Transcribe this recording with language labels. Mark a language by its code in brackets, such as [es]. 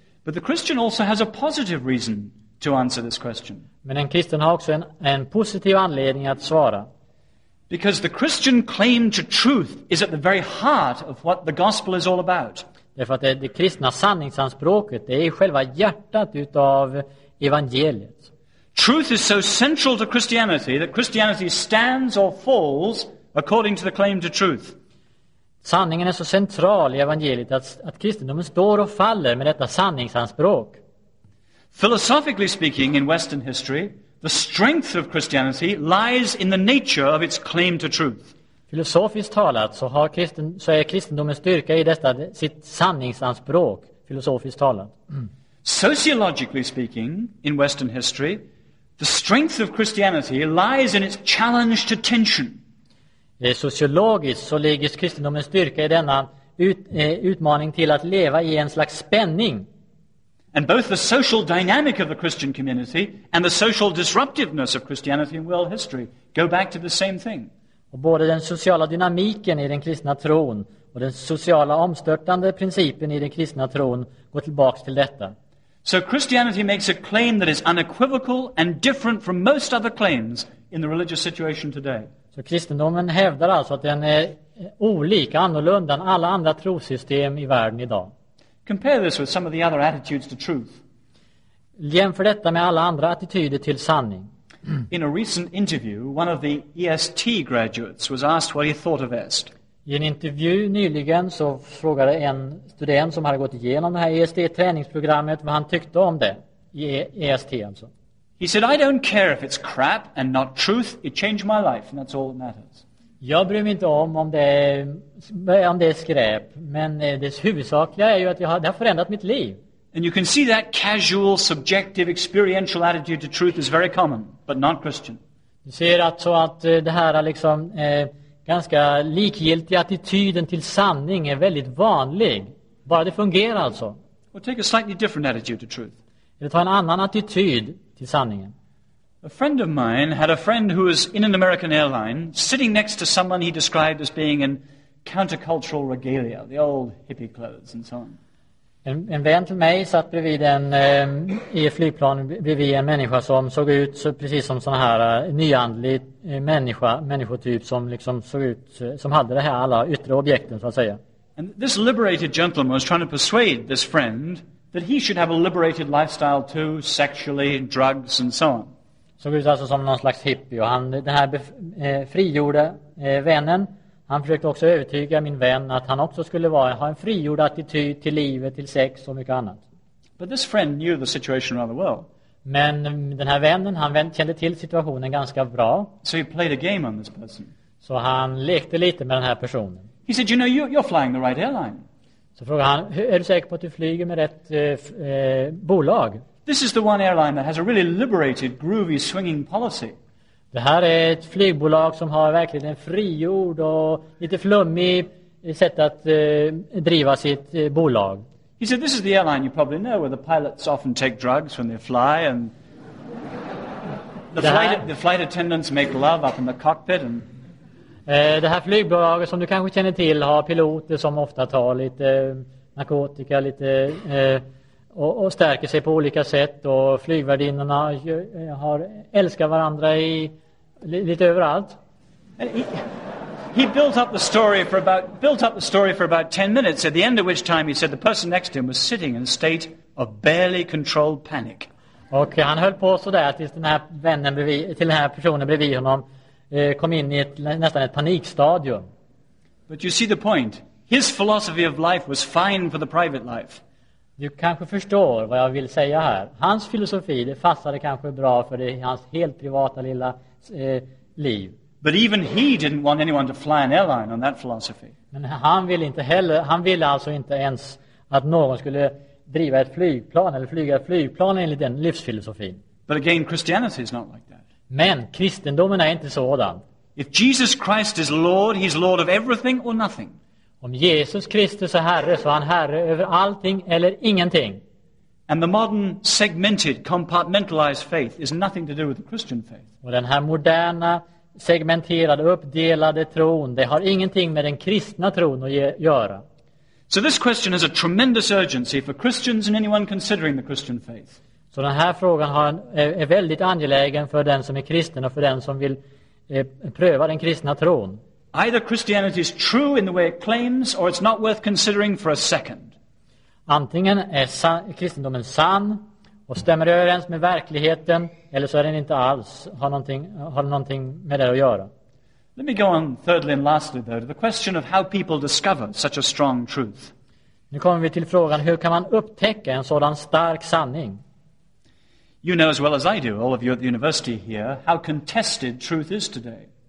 [en] But the Christian also has a positive reason to answer this question. [sv] Men en kristen har också en positiv anledning att svara. [en] Because the Christian claim to truth is at the very heart of what the gospel is all about. [sv] Därför att det kristna sanningsanspråket, det är själva hjärtat utav evangeliet. [en] Truth is so central to Christianity that Christianity stands or falls according to the claim to truth. [sv] Sanningen är så central i evangeliet att kristendomen står och faller med detta sanningsanspråk. [en] Philosophically speaking, in Western history, the strength of Christianity lies in the nature of its claim to truth. [sv] Filosofiskt talat så är kristendomens styrka i detta sitt sanningsanspråk, filosofiskt talat. [en] Sociologically speaking, in Western history, the strength of Christianity lies in its challenge to tension. [sv] Sociologiskt så ligger kristendomens styrka i denna utmaning till att leva i en slags spänning. [en] And both the social dynamic of the Christian community and the social disruptiveness of Christianity in world history go back to the same thing. [sv] Och både den sociala dynamiken i den kristna tron och den sociala omstörtande principen i den kristna tron går tillbaka till detta. [en] So Christianity makes a claim that is unequivocal and different from most other claims in the religious situation today. [sv] Så kristendomen hävdar alltså att den är olika, annorlunda än alla andra trosystem i världen idag. [en] Compare this with some of the other attitudes to truth. [sv] Jämför detta med alla andra attityder till sanning. [en] In a recent interview, one of the EST graduates was asked what he thought of EST. [sv] I en intervju nyligen så frågade en student som hade gått igenom det här EST-träningsprogrammet vad han tyckte om det. EST alltså. [en] He said, I don't care if it's crap and not truth. It changed my life and that's all that matters. [sv] Jag bryr mig inte om det är skräp, men dess huvudsakliga är ju att det har förändrat mitt liv. [en] And you can see that casual, subjective, experiential attitude to truth is very common, but not Christian. [sv] Du ser alltså att det här liksom ganska likgiltiga attityden till sanning är väldigt vanlig. Bara det fungerar alltså. [en] Well, take a slightly different attitude to truth. [sv] Eller ta en annan attityd till sanningen. [en] A friend of mine had a friend who was in an American airline sitting next to someone he described as being in countercultural regalia, the old hippie clothes and so on. [sv] En vän till mig satt bredvid i flygplan bredvid en människa som såg ut så precis som sån här nyandlig människotyp som liksom såg ut som hade det här alla yttre objekten så att säga. [en] And this liberated gentleman was trying to persuade this friend that he should have a liberated lifestyle too, sexually, drugs and so on. [sv] Såg ut alltså som någon slags hippie och den här frigjorde vännen, han försökte också övertyga min vän att han också skulle ha en frigjord attityd till livet, till sex och mycket annat. [en] But this friend knew the situation rather well. [sv] Men den här vännen, han kände till situationen ganska bra. [en] So he played a game on this person. [sv] Så han lekte lite med den här personen. [en] He said, you know, you're flying the right airline. [sv] Så frågade han, är du säker på att du flyger med rätt bolag? [en] This is the one airline that has a really liberated, groovy, swinging policy. [sv] Det här är ett flygbolag som har verkligen en frigjord och lite flummig sätt att driva sitt bolag. [en] He said, this is the airline you probably know where the pilots often take drugs when they fly and the flight attendants make love up in the cockpit and [sv] det här flygbolaget som du kanske känner till har piloter som ofta tar lite narkotika lite och stärker sig på olika sätt och flygvärdinnorna har älskar varandra i lite överallt. [en] He built up the story for about 10 minutes at the end of which time he said the person next to him was sitting in a state of barely controlled panic. [sv] Och han höll på så där tills den här vännen bredvid, till den här personen bredvid honom kom in i ett, nästan ett panikstadium. [en] But you see the point. His philosophy of life was fine for the private life. [sv] Du kanske förstår vad jag vill säga här. Hans filosofi, det fassade kanske bra för det, hans helt privata lilla liv. [en] But even he didn't want anyone to fly an airline on that philosophy. [sv] Men han ville inte heller, han ville alltså inte ens att någon skulle driva ett flygplan eller flyga ett flygplan enligt den livsfilosofin. [en] But again, Christianity is not like that. [sv] Men kristendomen är inte sådan. [en] If Jesus Christ is Lord, he's Lord of everything or nothing. [sv] Om Jesus Kristus är herre så är han herre över allting eller ingenting. [en] And the modern segmented, compartmentalized faith is nothing to do with the Christian faith. [sv] Och den här moderna segmenterade, uppdelade tron, det har ingenting med den kristna tron att göra. [en] So this question has a tremendous urgency for Christians and anyone considering the Christian faith. [sv] Så den här frågan har är väldigt angelägen för den som är kristen och för den som vill pröva den kristna tron. [en] Either Christianity is true in the way it claims or it's not worth considering for a second. [sv] Antingen är kristendomen sann och stämmer överens med verkligheten eller så är den inte alls har någonting med det att göra. [en] Let me go on thirdly and lastly though to the question of how people discover such a strong truth. [sv] Nu kommer vi till frågan hur kan man upptäcka en sådan stark sanning? [en] You know as well as I do, all of you at the university here, how contested truth is today.